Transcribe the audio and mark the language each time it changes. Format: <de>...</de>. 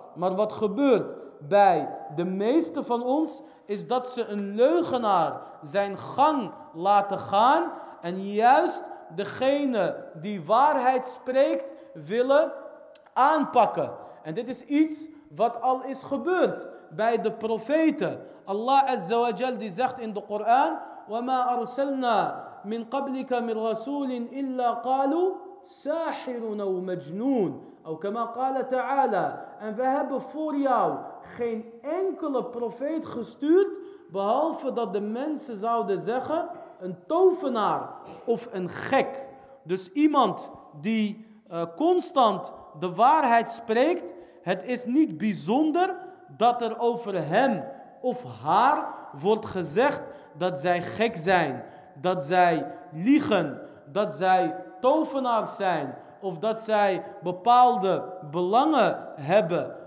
<nl>Maar wat gebeurt bij de meeste van ons is dat ze een leugenaar zijn gang laten gaan en juist degene die waarheid spreekt willen aanpakken. En dit is iets wat al is gebeurd bij de profeten. Allah Azza wa Jal die zegt in de Koran,</nl> <ar>وَمَا أَرْسَلْنَا مِنْ قَبْلِكَ مِنْ رَسُولٍ إِلَّا قَالُوا سَاحِرٌ أَوْ مَجْنُونَ.</ar> <nl>Ook</nl> <ar>kama qala ta'ala,</ar> <nl>en we hebben voor jou geen enkele profeet gestuurd behalve dat de mensen zouden zeggen een tovenaar of een gek. Dus iemand die constant de waarheid spreekt, het is niet bijzonder dat er over hem of haar wordt gezegd dat zij gek zijn, dat zij liegen, dat zij tovenaars zijn of dat zij bepaalde belangen hebben.</nl>